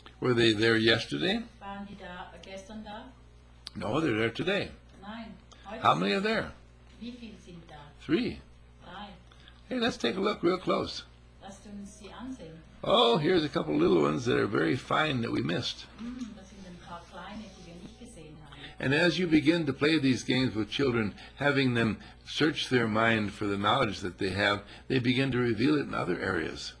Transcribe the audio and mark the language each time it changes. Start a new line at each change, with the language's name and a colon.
English: Were they there yesterday?
German: Waren die da gestern da?
English: No, they're there today.
German: Nein.
English: How many are there?
German: Wie viele sind da?
English: 3.
German: 3.
English: Hey, let's take a look real close.
German: Lasst uns sie ansehen.
English: Oh, here's a couple little ones that are very fine that we missed.
German: Das sind ein paar kleine, die wir nicht gesehen haben.
English: And as you begin to play these games with children, having them search their mind for the knowledge that they have, they begin to reveal it in other areas.